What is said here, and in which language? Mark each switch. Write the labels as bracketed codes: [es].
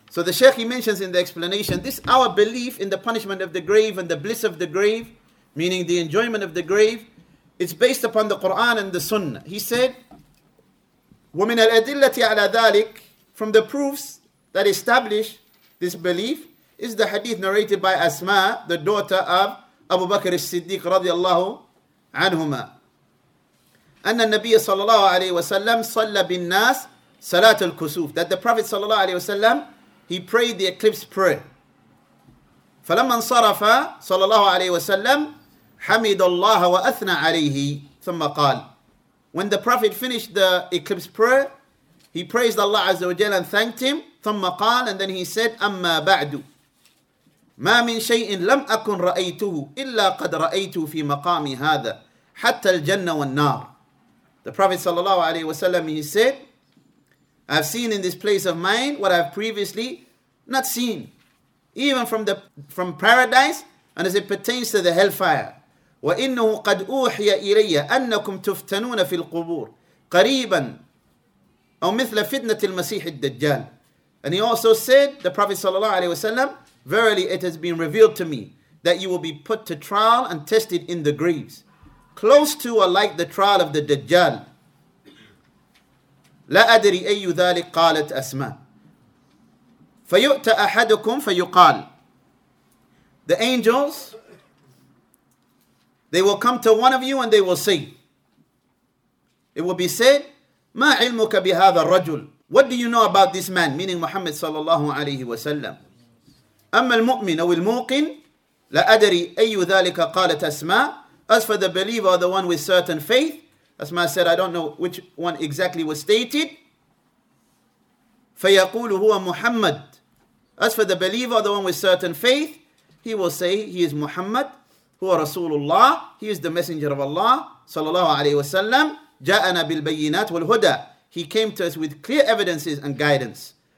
[en] So the Shaykh, he mentions in the explanation, this our belief in the punishment of the grave and the bliss of the grave, meaning the enjoyment of the grave, it's based upon the Qur'an and the Sunnah. He said, [ar] وَمِنَ الْأَدِلَّةِ عَلَى ذَلِكَ, [en] from the proofs that establish this belief, is the hadith narrated by Asma, the daughter of Abu Bakr as-Siddiq radiallahu anhuma. [ar] أَنَّ النَّبِيَ صَلَى اللَّهُ عَلَيْهِ وَسَلَّمْ صَلَّى بِالنَّاسِ صَلَاتُ الْكُسُوفِ, [en] that the Prophet صلى الله عليه وسلم, he prayed the eclipse prayer. [ar] فَلَمَّنْ صَرَفَ صلى الله عليه وسلم حَمِدَ اللَّهَ وَأَثْنَى عَلَيْهِ ثُمَّ قَالْ, [en] when the Prophet finished the eclipse prayer, he praised Allah Azza wa Jal and thanked him. [ar] ثُمَّ قَالْ, [en] and then he said, [ar] أَمَّا بَعْدُ مَا مِنْ شَيْءٍ لَمْ أَكُنْ رَأَيْتُهُ إِلَّا قَدْ رَأَيْتُهُ فِي مَقَامِ هَذَا حَتَّى الْجَنَّ وَالنَّارِ. [en] The Prophet sallallahu alayhi wa sallam, he said, I've seen in this place of mine what I've previously not seen, even from paradise and as it pertains to the hellfire. [ar] وَإِنَّهُ قَدْ أُوحِيَ إِلَيَّ أَنَّكُمْ تُفْتَنُونَ فِي الْقُبُورِ قَرِيبًا أَوْ مِثْلَ فِتْنَةِ الْمَسِيحِ الدَّجَّالِ. [en] And he also said, the Prophet sallallahu alayhi wa sallam, verily it has been revealed to me that you will be put to trial and tested in the graves, close to or like the trial of the Dajjal. [ar] لا أدري أي ذلك قالت أسماء فيؤتى أحدكم فيقال. [en] The angels, they will come to one of you and they will say, it will be said, [ar] ما علمك بهذا الرجل, [en] what do you know about this man, meaning Muhammad صلى الله عليه وسلم. [ar] أما المؤمن أو الموقن لا أدري أي ذلك قالت أسماء. [en] As for the believer, the one with certain faith, Asma said, I don't know which one exactly was stated. [ar] فَيَقُولُ هُوَ مُحَمَّدٌ. [en] As for the believer, the one with certain faith, he will say, he is Muhammad, [ar] هو رسول الله, [en] he is the messenger of Allah, صلى الله عليه وسلم, [ar] جاءنا بالبينات والهدى, [en] he came to us with clear evidences and guidance.